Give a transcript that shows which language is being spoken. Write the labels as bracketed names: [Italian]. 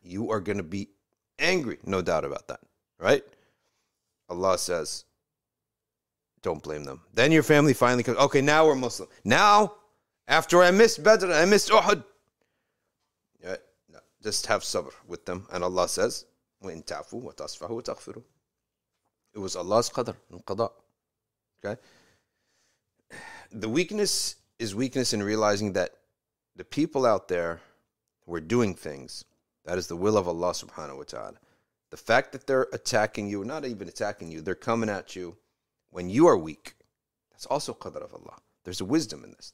[English] You are going to be angry, no doubt about that. Right? Allah says, don't blame them. Then your family finally comes. Okay, now we're Muslim. Now, after I missed Badr, I missed Uhud. Just have sabr with them. And Allah says, [Arabic] وَإِن تَعْفُوا وَتَصْفَحُوا وَتَغْفِرُوا. [English] It was Allah's qadr, al-qada. Okay? The weakness is weakness in realizing that the people out there who are doing things, that is the will of Allah subhanahu wa ta'ala. The fact that they're attacking you, not even attacking you, they're coming at you when you are weak, that's also qadr of Allah. There's a wisdom in this.